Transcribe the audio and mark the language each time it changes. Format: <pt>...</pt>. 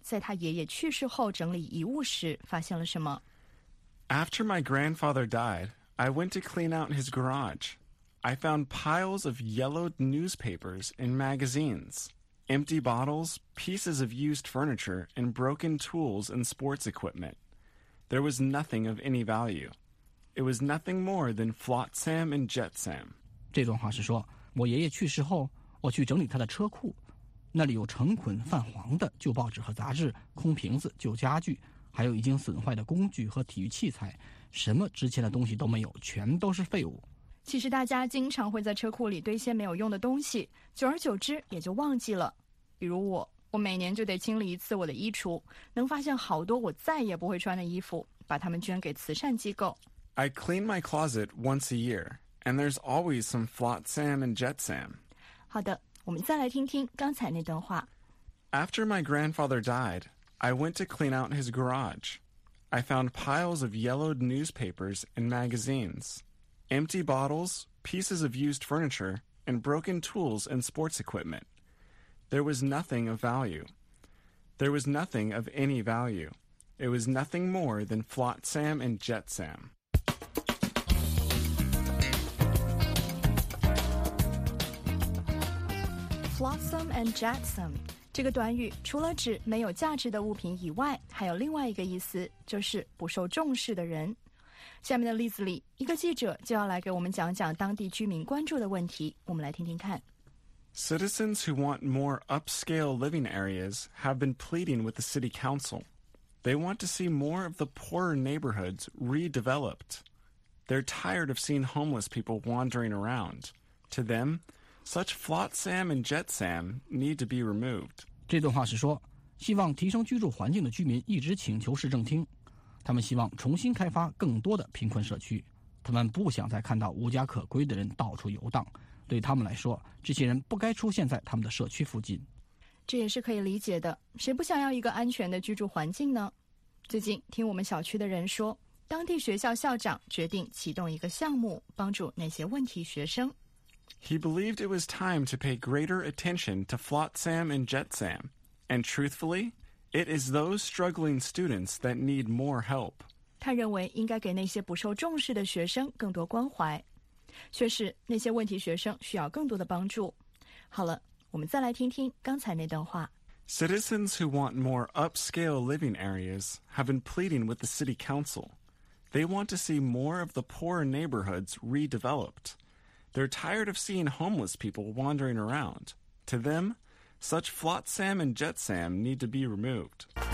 <zh>里面没有什么重要信息，全都没有什么用。在下面的例子里，我们要看看一个人在他爷爷去世后整理遗物时发现了什么。</zh> <en>After my grandfather died, I went to clean out his garage. I found piles of yellowed newspapers and magazines, empty bottles, pieces of used furniture, and broken tools and sports equipment. There was nothing of any value. It was nothing more than flotsam and jetsam.</en> <zh>这段话是说，我爷爷去世后，我去整理他的车库，那里有成捆泛黄的旧报纸和杂志、空瓶子、旧家具，还有已经损坏的工具和体育器材，什么值钱的东西都没有，全都是废物。其实大家经常会在车库里堆些没有用的东西，久而久之也就忘记了。比如我，我每年就得清理一次我的衣橱，能发现好多我再也不会穿的衣服，把它们捐给慈善机构。</zh> <en>I clean my closet once a year, and there's always some flotsam and jetsam.</en> <zh>好的，我们再来听听刚才那段话。</zh> <en>After my grandfather died, I went to clean out his garage. I found piles of yellowed newspapers and magazines, empty bottles, pieces of used furniture, and broken tools and sports equipment. There was nothing of value. There was nothing of any value. It was nothing more than flotsam and jetsam. Flotsam and jetsam.</en> <zh>这个短语除了指没有价值的物品以外，还有另外一个意思，就是不受重视的人。下面的例子里，一个记者就要来给我们讲讲当地居民关注的问题，我们来听听看。</zh> <en>Citizens who want more upscale living areas have been pleading with the city council. They want to see more of the poorer neighborhoods redeveloped. They're tired of seeing homeless people wandering around. To them,Such flotsam and jetsam need to be removed.</en> <zh>这段话是说，希望提升居住环境的居民一直请求市政厅，他们希望重新开发更多的贫困社区，他们不想再看到无家可归的人到处游荡，对他们来说，这些人不该出现在他们的社区附近。这也是可以理解的，谁不想要一个安全的居住环境呢？最近听我们小区的人说，当地学校校长决定启动一个项目，帮助那些问题学生。</zh> <en>He believed it was time to pay greater attention to flotsam and jetsam. And truthfully, it is those struggling students that need more help.</en> <zh>他认为应该给那些不受重视的学生更多关怀。确实，那些问题学生需要更多的帮助。好了，我们再来听听刚才那段话。</zh> <en>Citizens who want more upscale living areas have been pleading with the city council. They want to see more of the poorer neighborhoods redeveloped. They're tired of seeing homeless people wandering around. To them, such flotsam and jetsam need to be removed.</en>